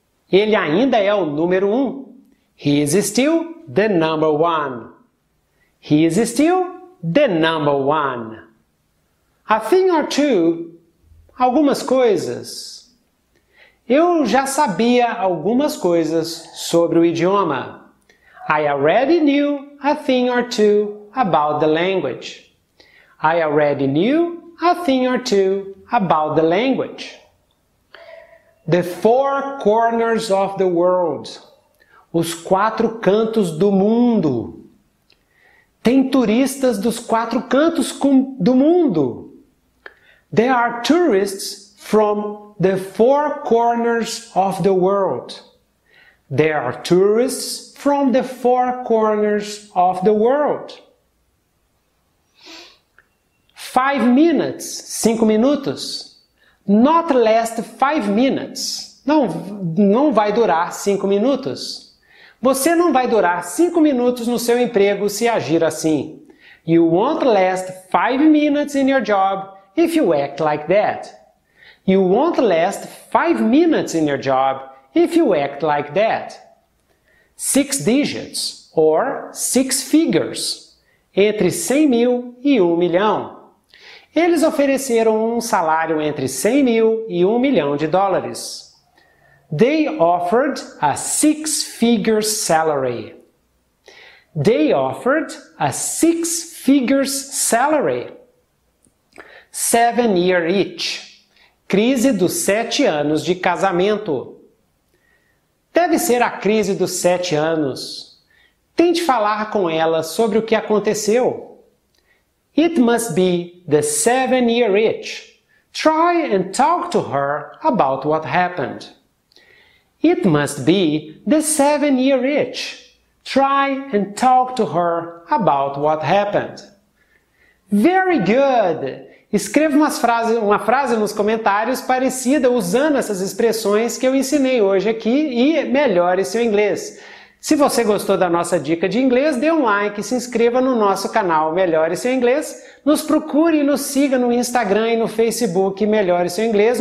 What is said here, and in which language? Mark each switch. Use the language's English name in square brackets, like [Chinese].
[Portuguese] Ele ainda é o número um. [English] He is still the number one. He is still the number one. A thing or two. [Portuguese] Algumas coisas. Eu já sabia algumas coisas sobre o idioma. [English] I already knew a thing or two about the language. I already knew a thing or two about the language. The four corners of the world. [Portuguese] Os quatro cantos do mundo. Tem turistas dos quatro cantos do mundo. [English] There are tourists from the four corners of the world. There are tourists from the four corners of the world. 5 minutes, 5 minutos. Not last 5 minutes. [Portuguese] Não vai durar 5 minutos. Você não vai durar 5 minutos no seu emprego se agir assim. [English] You won't last 5 minutes in your job if you act like that. You won't last 5 minutes in your job if you act like that. 6 digits or 6 figures. [Portuguese] Entre 100 mil e 1 milhão. Eles ofereceram um salário entre 100 mil e 1 milhão de dólares. [English] They offered a 6-figure salary. They offered a 6-figure salary. 7-year itch. [Portuguese] Crise dos 7 anos de casamento. Deve ser a crise dos 7 anos. Tente falar com ela sobre o que aconteceu. [English] It must be the 7-year itch. Try and talk to her about what happened. It must be the 7-year itch. Try and talk to her about what happened. Very good! [Portuguese] Escreva uma frase nos comentários parecida usando essas expressões que eu ensinei hoje aqui e melhore seu inglês. Se você gostou da nossa dica de inglês, dê um like e se inscreva no nosso canal Melhore Seu Inglês. Nos procure e nos siga no Instagram e no Facebook Melhore Seu Inglês.